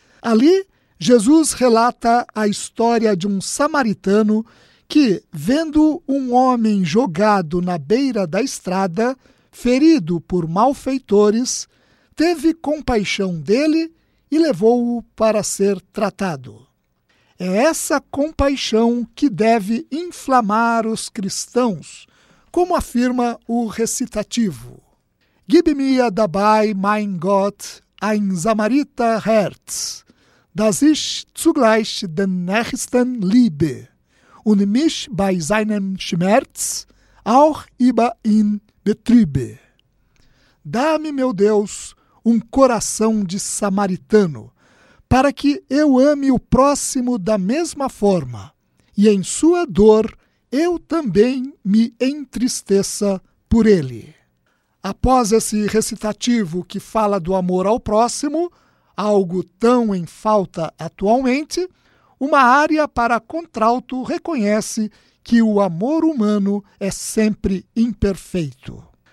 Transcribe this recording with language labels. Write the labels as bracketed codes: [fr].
[pt] Ali, Jesus relata a história de um samaritano que, vendo um homem jogado na beira da estrada, ferido por malfeitores, teve compaixão dele e levou-o para ser tratado. É essa compaixão que deve inflamar os cristãos, como afirma o recitativo. [de] Gib mir dabei, mein Gott, ein Samariter Herz, das ich zugleich den Nächsten liebe und mich bei seinem Schmerz auch über ihn betriebe. [pt] Dá-me, meu Deus, um coração de samaritano, para que eu ame o próximo da mesma forma, e em sua dor eu também me entristeça por ele. Após esse recitativo que fala do amor ao próximo, algo tão em falta atualmente, uma ária para contralto reconhece que o amor humano é sempre imperfeito.